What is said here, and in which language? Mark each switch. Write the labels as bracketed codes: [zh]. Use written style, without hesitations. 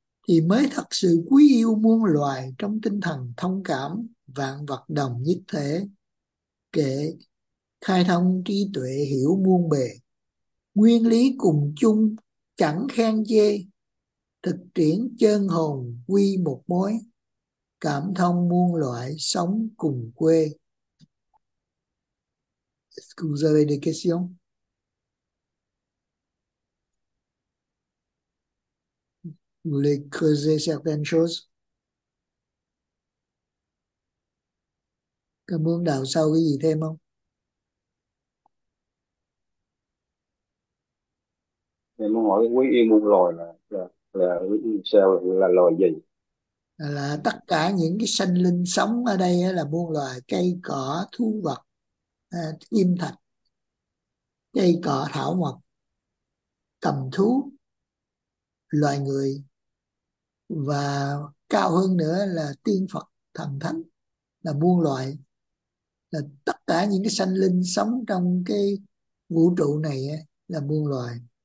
[vi] thì mới thật sự quý yêu muôn loài trong tinh thần thông cảm vạn vật đồng nhất thể, kể khai thông trí tuệ hiểu muôn bề nguyên lý cùng chung chẳng khen chê, thực triển chân hồn quy một mối, cảm thông muôn loại sống cùng quê. [fr] Est-ce que vous avez des questions? Vous voulez creuser certaines choses? [vi] Cảm ơn đạo sau cái gì thêm không? Em muốn hỏi quý yêu muôn loài là sao, là loài gì? Là tất cả những cái sinh linh sống ở đây là muôn loài, cây cỏ thú vật, kim thạch, cây cỏ thảo mộc, cầm thú, loài người, và cao hơn nữa là tiên Phật thần thánh, là muôn loài, là tất cả những cái sinh linh sống trong cái vũ trụ này là muôn loài.